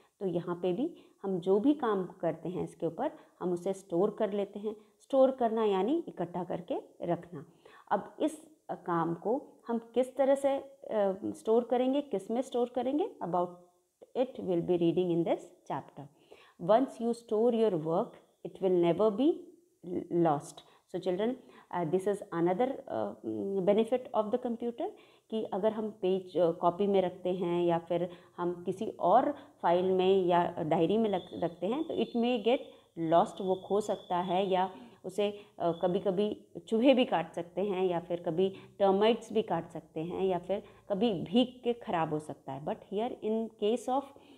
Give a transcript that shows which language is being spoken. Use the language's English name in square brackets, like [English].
[Hindi] तो यहाँ पे भी हम जो भी काम करते हैं इसके ऊपर हम उसे स्टोर कर लेते हैं. स्टोर करना यानी इकट्ठा करके रखना. अब इस काम को हम किस तरह से स्टोर करेंगे, किस में स्टोर करेंगे, [English] About it will be reading in this chapter. Once you store your work it will never be lost. So children, this is another benefit of the computer. [Hindi] कि अगर हम पेज कॉपी में रखते हैं या फिर हम किसी और फाइल में या डायरी में रखते हैं तो [English] It may get lost. [Hindi] वो खो सकता है या उसे कभी कभी चूहे भी काट सकते हैं या फिर कभी टर्माइट्स भी काट सकते हैं या फिर कभी भीग के ख़राब हो सकता है. [English] but here in case of